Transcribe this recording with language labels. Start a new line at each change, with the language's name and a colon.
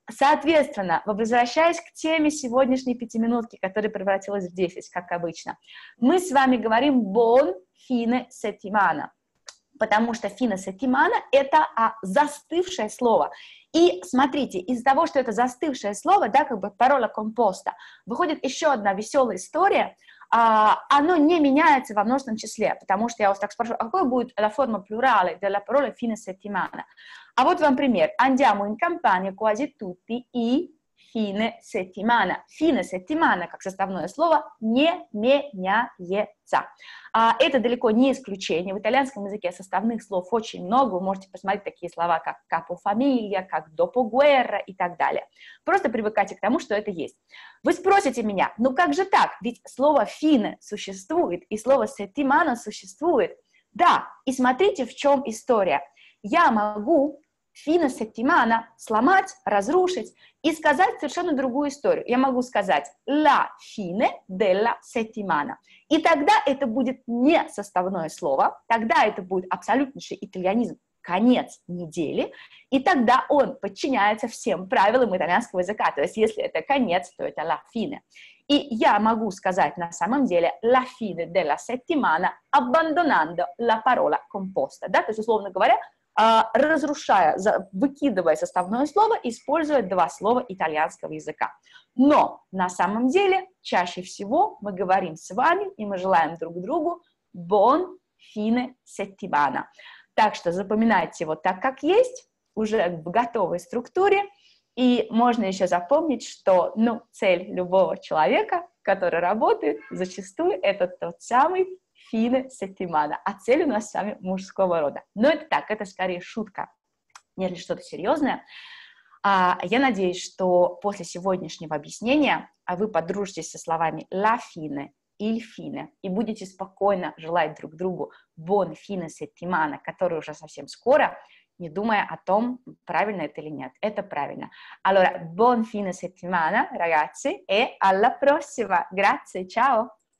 Russian: Соответственно, возвращаясь к теме сегодняшней пятиминутки, которая превратилась в 10, как обычно, мы с вами говорим
Italian: «buon fine settimana»,
Russian: потому что
Italian: «fine settimana»
Russian: — это застывшее слово. И смотрите, из-за того, что это застывшее слово, да, как бы
Italian: «parola composta»,
Russian: выходит еще одна веселая история. Оно не меняется во множественном числе, потому что я вас так спрашиваю, а какой будет
Italian: la forma plurale della parola «fine settimana»?
Russian: А вот вам пример.
Italian: «Andiamo in campagna quasi tutti i fine settimana». «Fine settimana»
Russian: как составное слово не меняется. Это далеко не исключение. В итальянском языке составных слов очень много. Вы можете посмотреть такие слова, как
Italian: «capo famiglia»,
Russian: как
Italian: «dopo guerra»
Russian: и так далее. Просто привыкайте к тому, что это есть. Вы спросите меня, ну как же так? Ведь слово «fine» существует, и слово «settimana» существует. Да, и смотрите, в чем история. Я могу
Italian: «fine settimana»
Russian: сломать, разрушить и сказать совершенно другую историю. Я могу сказать
Italian: «la fine della settimana».
Russian: И тогда это будет не составное слово, тогда это будет абсолютнейший итальянизм, конец недели, и тогда он подчиняется всем правилам итальянского языка. То есть если это конец, то это «la fine». И я могу сказать на самом деле
Italian: «la fine della settimana abbandonando la parola composta».
Russian: Да? То есть, условно говоря, разрушая, выкидывая составное слово, используя два слова итальянского языка. Но на самом деле, чаще всего мы говорим с вами, и мы желаем друг другу
Italian: «buon fine settimana».
Russian: Так что запоминайте его так, как есть, уже в готовой структуре, и можно еще запомнить, что, ну, цель любого человека, который работает, зачастую это тот самый
Italian: «fine settimana»,
Russian: а цель у нас с вами мужского рода. Но это так, это скорее шутка, нежели что-то серьезное. Я надеюсь, что после сегодняшнего объяснения вы подружитесь со словами «la fine», «il fine» и будете спокойно желать друг другу
Italian: «buon fine settimana»,
Russian: который уже совсем скоро, не думая о том, правильно это или нет. Это правильно.
Italian: Allora, «buon fine settimana, ragazzi, e alla prossima! Grazie, ciao!»